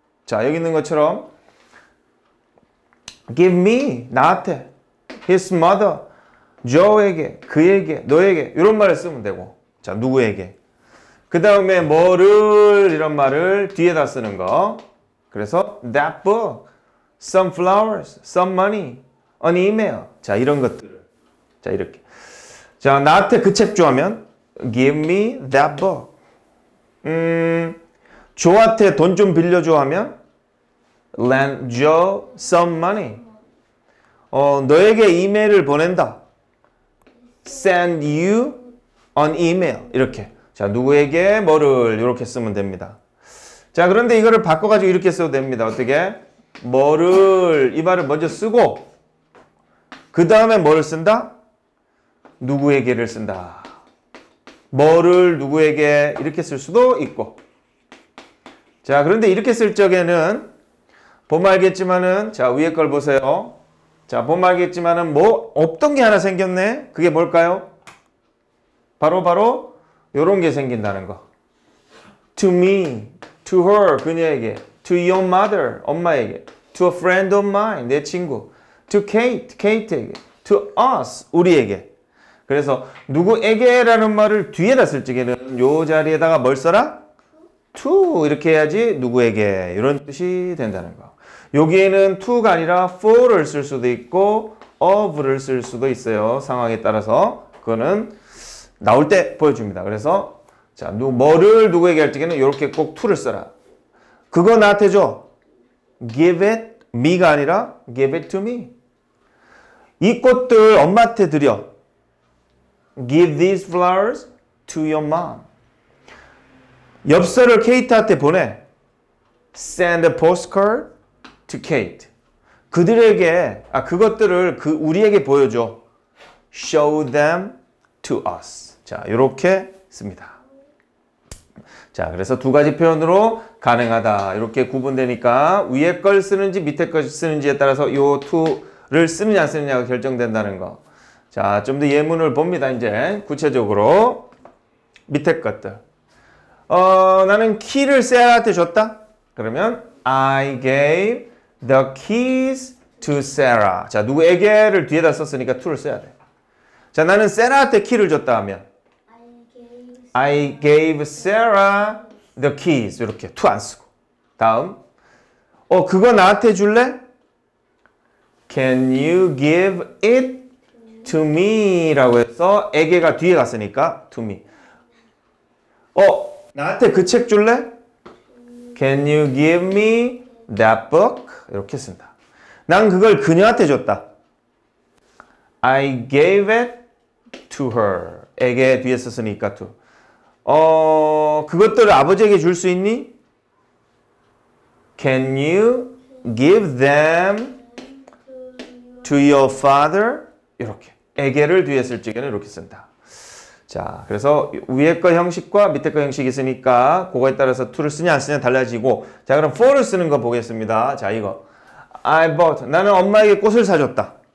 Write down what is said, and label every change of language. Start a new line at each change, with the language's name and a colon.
Korean: 자, 여기 있는 것처럼,
English: give me,
Korean: 나한테,
English: his mother,
Korean: Joe에게, 그에게, 너에게, 이런 말을 쓰면 되고, 자, 누구에게. 그 다음에, 뭐를, 이런 말을 뒤에다 쓰는 거. 그래서,
English: that book, some flowers, some money, an email.
Korean: 자, 이런 것들을. 자, 이렇게. 자, 나한테 그 책 줘 하면,
English: give me that book.
Korean: 조한테 돈 좀 빌려줘 하면
English: lend Joe some money.
Korean: 어, 너에게 이메일을 보낸다.
English: send you an email.
Korean: 이렇게. 자, 누구에게 뭐를 이렇게 쓰면 됩니다. 자, 그런데 이거를 바꿔가지고 이렇게 써도 됩니다. 어떻게? 뭐를 이 말을 먼저 쓰고 그 다음에 뭐를 쓴다? 누구에게를 쓴다. 뭐를 누구에게 이렇게 쓸 수도 있고. 자, 그런데 이렇게 쓸 적에는 보면 알겠지만은, 자, 위에 걸 보세요. 자, 보면 알겠지만은 뭐 없던 게 하나 생겼네. 그게 뭘까요? 바로 요런 게 생긴다는 거.
English: To me, to her,
Korean: 그녀에게,
English: to your mother,
Korean: 엄마에게,
English: to a friend of mine,
Korean: 내 친구,
English: to Kate, Kate에게, to us,
Korean: 우리에게. 그래서 누구에게라는 말을 뒤에다 쓸 적에는 요 자리에다가 뭘 써라? to 이렇게 해야지 누구에게 이런 뜻이 된다는 거. 여기에는 to가 아니라 for를 쓸 수도 있고 of를 쓸 수도 있어요. 상황에 따라서 그거는 나올 때 보여줍니다. 그래서 자, 뭐를 누구에게 할 적에는 이렇게 꼭 to를 써라. 그거 나한테 줘.
English: give it me가 아니라 give it to me.
Korean: 이 꽃들 엄마한테 드려.
English: give these flowers to your mom.
Korean: 엽서를 케이트한테 보내.
English: send a postcard to Kate.
Korean: 그들에게, 아, 그것들을 그, 우리에게 보여줘.
English: show them to us.
Korean: 자, 요렇게 씁니다. 자, 그래서 두 가지 표현으로 가능하다. 이렇게 구분되니까 위에 걸 쓰는지 밑에 걸 쓰는지에 따라서 요 to를 쓰느냐 안 쓰느냐가 결정된다는 거. 자, 좀 더 예문을 봅니다. 이제 구체적으로. 밑에 것들. 어, 나는 키를 세라한테 줬다. 그러면
English: I gave the keys to Sarah.
Korean: 자, 누구에게를 뒤에다 썼으니까 to를 써야 돼. 자, 나는 세라한테 키를 줬다 하면
English: I gave Sarah the keys.
Korean: 이렇게 to 안 쓰고. 다음. 어, 그거 나한테 줄래?
English: Can you give it to me?
Korean: 라고 해서 에게가 뒤에 갔으니까 to me. 어, 나한테 그 책 줄래?
English: Can you give me that book?
Korean: 이렇게 쓴다. 난 그걸 그녀한테 줬다.
English: I gave it to her.
Korean: 에게 뒤에 썼으니까 to. 어, 그것들을 아버지에게 줄 수 있니?
English: Can you give them to your father?
Korean: 이렇게. 에게를 뒤에 쓸 적에는 이렇게 쓴다. 자, 그래서 위에 거 형식과 밑에 거 형식이 있으니까 그거에 따라서 to를 쓰냐 안 쓰냐 달라지고. 자, 그럼 for를 쓰는 거 보겠습니다. 자, 이거.
English: I bought,
Korean: 나는 엄마에게 꽃을 사줬다.